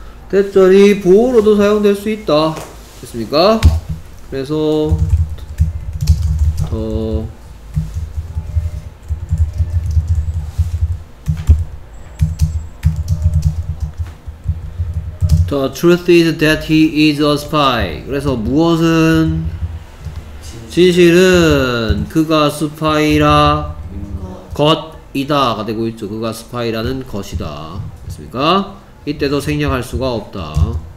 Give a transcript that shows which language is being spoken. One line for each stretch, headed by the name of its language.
Korean: 대절이 보호로도 사용될 수 있다. 됐습니까? 그래서 더
English: The truth is that he is a spy.
Korean: 그래서 무엇은 진실은 그가 스파이라 것이다가 되고 있죠. 그가 스파이라는 것이다. 됐습니까? 이때도 생략할 수가 없다.